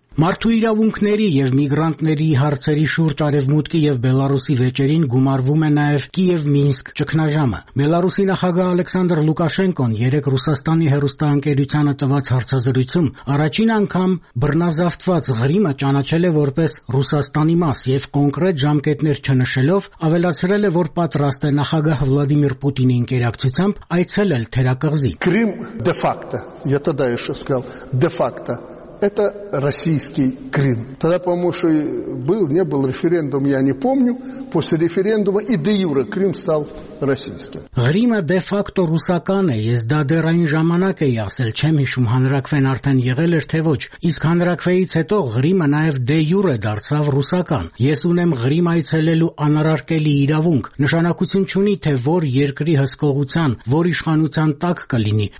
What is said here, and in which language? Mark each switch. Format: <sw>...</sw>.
<hy>Մարդու իրավունքների և միգրանտների հարցերի շուրջ Արևմուտքի և Բելարուսի վեճերին գումարվում է նաև Կիև-Մինսկ ճգնաժամը։ Բելարուսի նախագահ Ալեքսանդր Լուկաշենկոն երեկ Ռուսաստանի հեռուստաընկերությանը տված հարցազրույցում առաջին անգամ բռնազավթված Ղրիմը ճանաչել է որպես Ռուսաստանի մաս և կոնկրետ ժամկետներ չնշելով ավելացրել է, որ պատրաստ է նախագահ Վլադիմիր Պուտինի ինկերակցությամբ այցելել թերակղզի։ Ղրիմ դեֆակտո,</hy> <ru>я тогда ещё сказал, дефакто это российский Крым. Тогда, по-моему, что и был, не был референдум, я не помню. После референдума и де юре Крым стал российским.</ru> <hy>Ղրիմը դեֆակտո ռուսական է, ես դա դեռ այն ժամանակ էի ասել, չեմ հիշում հանրաքվեն արդեն եղել էր թե ոչ, իսկ հանրաքվեից հետո Ղրիմը նաև դե յուրե դարձավ ռուսական։ Ես ունեմ Ղրիմ այցելելու անարարկելի իրավունք, նշանակություն չունի, թե որ երկրի հսկողության, որ իշխանության տակ կլինի,</hy>